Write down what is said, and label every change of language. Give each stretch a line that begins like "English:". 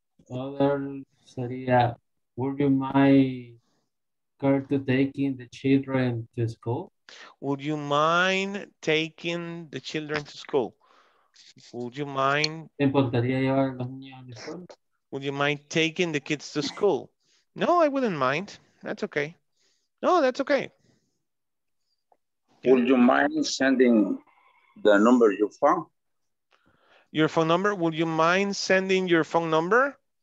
English: Other sería, would you mind going to taking the children to school? Would you mind taking the children to school? Would you mind?
Spanish: ¿Te importaría llevar a los niños a la escuela?
English: Would you mind taking the kids to school? No, I wouldn't mind. That's okay. No, that's okay. Would you mind sending the number you found? Your phone number, would you mind sending your phone number?